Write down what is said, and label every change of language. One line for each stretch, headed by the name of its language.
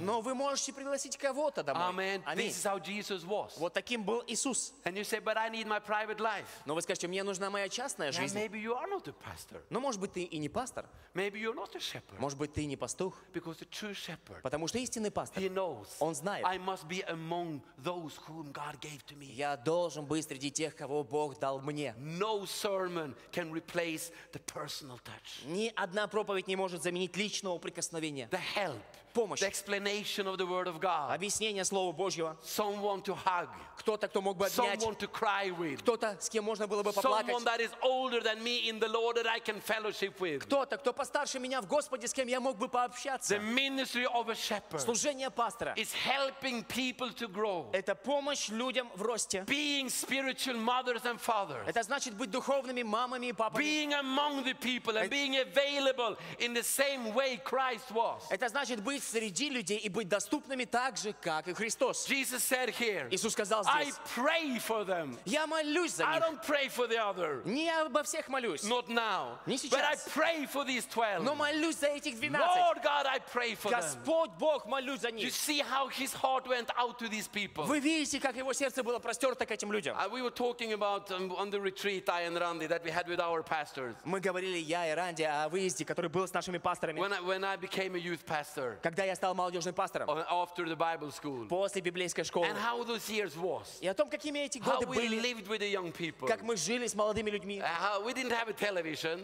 Russian: Но вы можете пригласить кого-то домой.
English: Amen.
Russian: Аминь.
English: This is how Jesus was.
Russian: Вот таким был Иисус.
English: And you say, but but I need my private life.
Russian: Но вы скажете, мне нужна моя частная жизнь.
English: Yeah, maybe you are not a pastor.
Russian: Но может быть ты и не пастор.
English: Maybe you're not a shepherd.
Russian: Может быть ты не пастух.
English: Because the true shepherd.
Russian: Потому что истинный пастор.
English: He knows.
Russian: Он знает.
English: I must be among those whom God gave to me.
Russian: Я должен быть среди тех, кого Бог дал мне.
English: No sermon can replace the personal touch.
Russian: Ни одна проповедь не может заменить личного прикосновения.
English: The help.
Russian: Помощь.
English: The explanation of the word of God.
Russian: Объяснение слова Божьего.
English: Someone to hug.
Russian: Кто-то, кто мог бы обнять.
English: Someone to cry with.
Russian: Кто-то, с кем можно было бы поплакать.
English: Someone that is older than me in the Lord that I can fellowship with.
Russian: Кто-то, кто постарше меня в Господе, с кем я мог бы пообщаться.
English: The ministry of a shepherd.
Russian: Служение пастора.
English: Is helping people to grow.
Russian: Это помощь людям в росте.
English: Being spiritual mothers and fathers.
Russian: Это значит быть духовными мамами и папами.
English: Being among the people and being available in the same way Christ was.
Russian: Это значит быть среди людей и быть доступными так же, как и Христос.
English: Jesus said here,
Russian: Иисус сказал здесь,
English: I pray for them.
Russian: Я молюсь за них.
English: I don't pray for the other.
Russian: Не обо всех молюсь.
English: Not now.
Russian: Не сейчас.
English: But I pray for these 12.
Russian: Но молюсь за этих 12.
English: Lord God, I pray for them.
Russian: Господь Бог, молюсь за них.
English: You see how his heart went out to these people.
Russian: Вы видите, как его сердце было простерто к этим людям.
English: We were talking about on the retreat, I and Randy, that we had with our pastors.
Russian: Мы говорили, я и Ранди, о выезде, который был с нашими пасторами.
English: When I became a youth pastor.
Russian: Когда я стал молодежным пастором,
English: after the Bible school,
Russian: после библейской школы,
English: and how those years was,
Russian: и о том, какими эти годы
English: how we
Russian: были,
English: lived with the young people,
Russian: как мы жили с молодыми людьми,
English: how we didn't have a television,